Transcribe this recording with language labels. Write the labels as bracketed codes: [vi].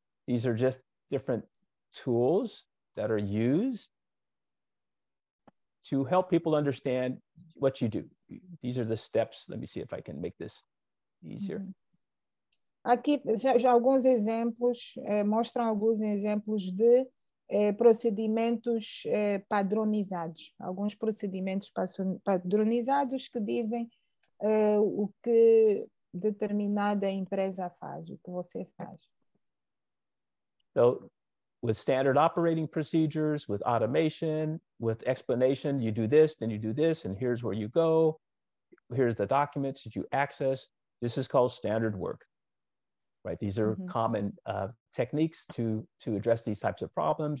[en] These are just different tools that are used to help people understand what you do. These are the steps. Let me see if I can make this easier. [pt] Aqui já alguns exemplos, mostram alguns exemplos de procedimentos padronizados. Alguns procedimentos padronizados que dizem o que determinada empresa faz, o que você faz. [en] So, with standard operating procedures, with automation, with explanation, you do this, then you do this, and here's where you go. Here's the documents that you access. This is called standard work, right? These are mm-hmm. common techniques to address these types of problems.